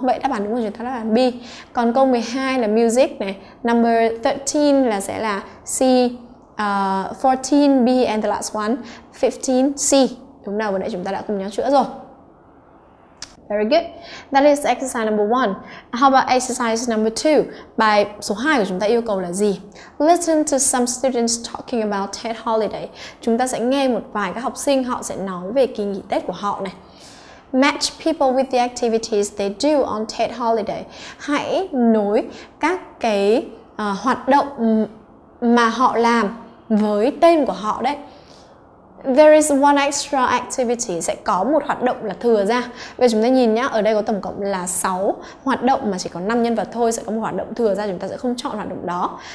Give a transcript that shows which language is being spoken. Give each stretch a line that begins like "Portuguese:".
Vietnamese: Vậy đáp án đúng của chúng ta là đáp án B. Còn câu 12 là music này,
English: number 13
Vietnamese: là sẽ là C, 14 B
English: and the last one,
Vietnamese: 15 C. Đúng nào, vừa nãy chúng ta đã cùng nhau chữa rồi.
English: Very good. That is exercise number 1. How about exercise number 2?
Vietnamese: Bài số 2 của chúng ta yêu cầu là gì?
English: Listen to some students talking about Tết holiday.
Vietnamese: Chúng ta sẽ nghe một vài các học sinh họ sẽ nói về kỳ nghỉ Tết của họ này.
English: Match people with the activities they do on Tết holiday.
Vietnamese: Hãy nối các cái hoạt động mà họ làm với tên của họ đấy.
English: There is one extra activity,
Vietnamese: sẽ có một hoạt động là thừa ra. Vậy chúng ta nhìn nhá, ở đây có tổng cộng là 6 hoạt động mà chỉ có 5 nhân vật thôi, sẽ có một hoạt động thừa ra, chúng ta sẽ không chọn hoạt động đó.